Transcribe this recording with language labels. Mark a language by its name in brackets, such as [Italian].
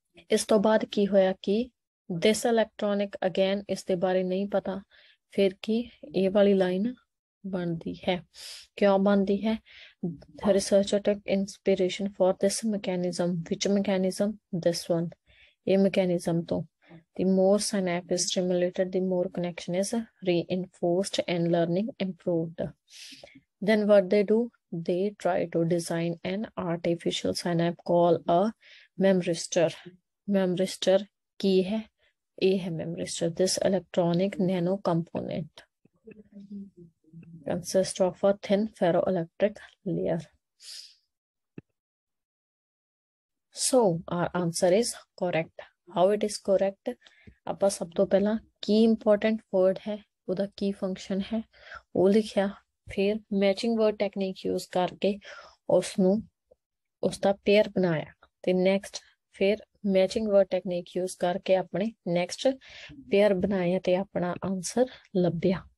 [Punjabi] ਇਸ ਤੋਂ ਬਾਅਦ ਕੀ ਹੋਇਆ ਕਿ [English] this electronic again, [Punjabi] ਇਸ ਦੇ ਬਾਰੇ ਨਹੀਂ ਪਤਾ, ਫਿਰ ਕੀ ਇਹ ਵਾਲੀ ਲਾਈਨ ਬਣਦੀ ਹੈ, ਕਿਉਂ ਬਣਦੀ ਹੈ। [English] research take inspiration for this mechanism, which mechanism, this one, [Punjabi] ਇਹ ਮਕੈਨਿਜ਼ਮ ਤੋਂ। [English] The more synapse is stimulated, the more connection is reinforced and learning improved. Then what they do? They try to design an artificial synapse called a memristor. [Punjabi] Memristor ki hai? A hai memristor. [English] This electronic nano component consists of a thin ferroelectric layer. So our answer is correct. How it is correct? [Punjabi] ਆਪਾਂ ਸਭ ਤੋਂ ਪਹਿਲਾਂ ਕੀ important word ਹੈ, ਉਹਦਾ ਕੀ function ਹੈ ਉਹ ਲਿਖਿਆ, ਫਿਰ ਮੈਚਿੰਗ ਵਰਡ ਟੈਕਨੀਕ ਯੂਜ ਕਰਕੇ ਉਸਨੂੰ ਉਸਦਾ ਪੇਅਰ ਬਣਾਇਆ, ਅਤੇ ਨੈਕਸਟ ਫਿਰ ਮੈਚਿੰਗ ਵਰਡ ਟੈਕਨੀਕ ਯੂਜ ਕਰਕੇ ਆਪਣੇ ਨੈਕਸਟ ਪੇਅਰ ਬਣਾਏ ਅਤੇ ਆਪਣਾ ਆਂਸਰ ਲੱਭਿਆ।